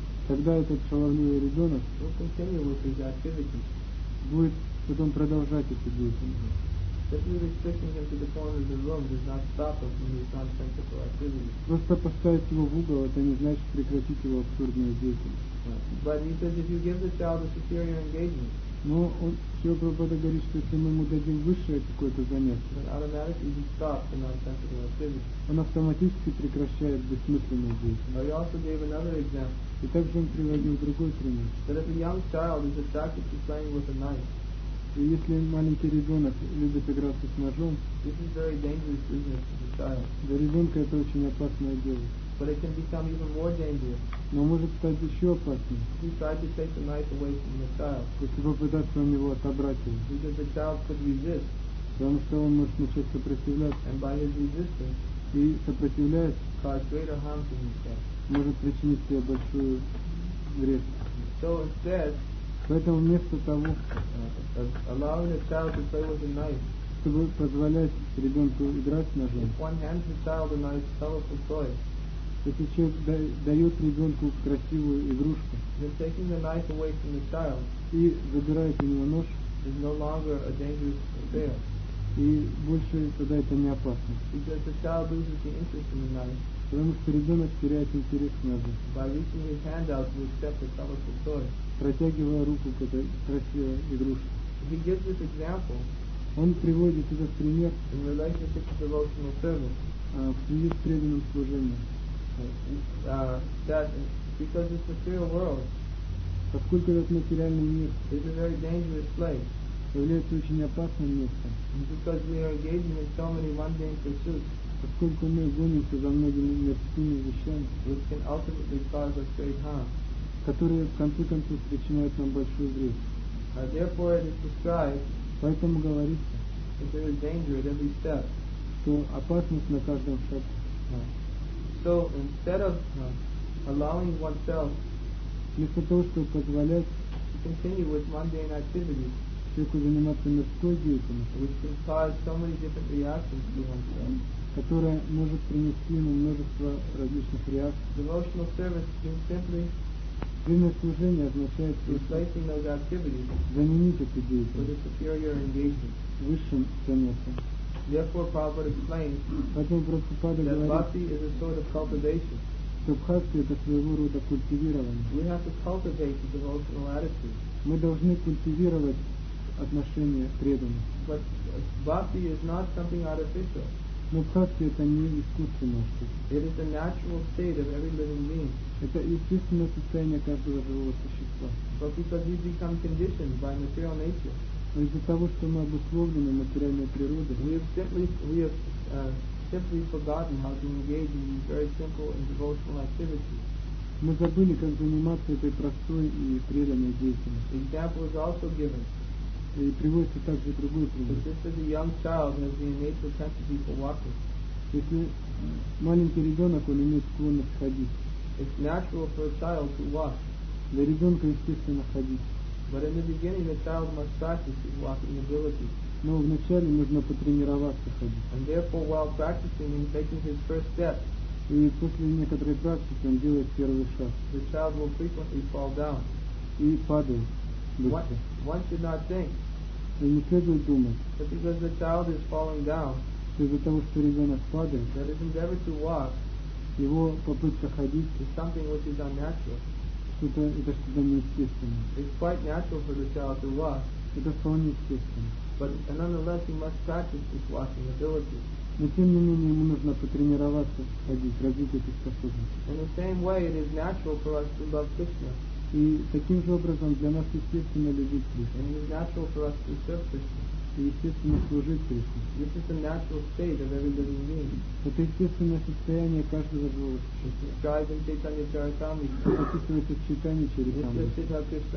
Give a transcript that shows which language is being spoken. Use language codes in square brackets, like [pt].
[ru] тогда этот шаловливый ребенок [en] will continue with his activity, [ru] будет потом продолжать эти деятельности. [en] Simply restricting him to the corner of the room does not stop him from his nonsensical activity. [ru] Просто поставить его в угол, это не значит прекратить его абсурдную деятельность. [en] But he says if you give the child a superior engagement, [ru] но он все Прабхупада говорит, что если мы ему дадим высшее какое-то занятие, [en] automatically he stops the nonsensical activity. [ru] Он автоматически прекращает бессмысленную деятельность. [en] But he also gave another example. [ru] И также он приводил другой пример. [en] That if a young child is attracted to playing with a knife, [ru] и если маленький ребенок любит играться с ножом, [en] this is very dangerous business for the child. [ru] Для ребенка это очень опасное дело. [en] But it can become even more dangerous. [ru] Но может стать еще опаснее. [en] If he tried to take the knife away from the child, [ru] если попытаться у него отобрать его. [en] Because the child could resist. [ru] Потому что он может начать сопротивляться. [en] And by his resistance, [ru] и сопротивляясь, [en] cause greater harm to himself. [ru] Может причинить себе большую вред. [en] So instead, [ru] поэтому вместо того, [en] allowing a child to play with a knife, [ru] чтобы позволять ребенку играть с ножом, [en] if one hands the child a nice, colorful toy, [ru] если человек дает ребенку красивую игрушку, [en] then taking the knife away from the child, [ru] и забирает у него нож, [en] is no longer a dangerous affair. [ru] И больше тогда это не опасно. [en] Because the child loses the interest in the knife. [ru] Потому что ребенок теряет интерес к ножу. [en] By reaching his hand out to accept the colorful toy, [ru] протягивая руку к этой красивой игрушке. [en] He gives this example, [ru] он приводит этот пример [en] in relationship to devotional service, [ru] в связи с преданным служением. [en] That because this material world, [ru] поскольку этот материальный мир [en] is a very dangerous place, [ru] является очень опасным местом. [en] Because we are engaging in so many mundane pursuits, [ru] поскольку мы гонимся за многими мирскими вещами, [en] which can ultimately cause us great harm, [ru] которые в конце концов причиняют нам большую вред. [en] Therefore it is described, [ru] поэтому говорится, [en] that there is danger at every step, [ru] что опасность на каждом шагу. [en] So instead of allowing oneself, [ru] вместо того, чтобы позволять, [en] to continue with mundane activities, [ru] человеку заниматься мирской деятельностью, [en] which can cause so many different reactions to oneself, [ru] которая может принести ему множество различных реакций. [en] Devotional service means simply [ru] преданное служение означает [en] replacing those activities, [ru] заменить эту деятельность [en] with a superior engagement, [ru] высшим занятием. [en] Therefore, Prabhupada explains, [ru] поэтому Прабхупада говорит, [en] bhakti is a sort of cultivation. [ru] Что бхакти — это своего рода культивирование. [en] We have to cultivate the devotional attitude. [ru] Мы должны культивировать отношение преданности. [en] But bhakti is not something artificial. [ru] Но бхакти — это не искусственное что-то. [en] It is the natural state of every living being. [ru] Это естественное состояние каждого живого существа. [en] But because we become conditioned by material nature, [ru] но из-за того, что мы обусловлены материальной природой, [en] we have simply forgotten how to engage in these very simple and devotional activities. [ru] Мы забыли, как заниматься этой простой и преданной деятельностью. [en] Example is also given. [ru] И приводится также другой пример. [en] Just as a young child has the innate propensity for walking. [ru] Если маленький ребенок, он имеет склонность ходить. [en] It's natural for a child to walk. [ru] Для ребенка естественно ходить. [en] But in the beginning, the child must practice his walking ability. [ru] Но вначале нужно потренироваться ходить. [en] And therefore, while practicing and taking his first step, [ru] и после некоторой практики он делает первый шаг. [en] The child will frequently fall down. [ru] И падает. [en] One should not think. [ru] И не следует думать. [en] But because the child is falling down, [ru] из-за того, что ребенок падает, [en] that his endeavor to walk, [ru] его попытка ходить, [en] is something which is unnatural. [ru] Это что-то неестественное. [en] It's quite natural for the child to walk. [ru] Это вполне естественно. [en] But nonetheless, he must practice his walking ability. [ru] Но тем не менее ему нужно потренироваться ходить, развить эти способности. [en] In the same way, it is natural for us to love Krishna. [ru] И таким же образом для нас естественно любить Кришну. [en] And it is natural for us to serve Krishna. [ru] И естественно служить Кришне. [en] This is the natural state of every living being. [ru] Это естественное состояние каждого живого существа. Описывается в Чайтанье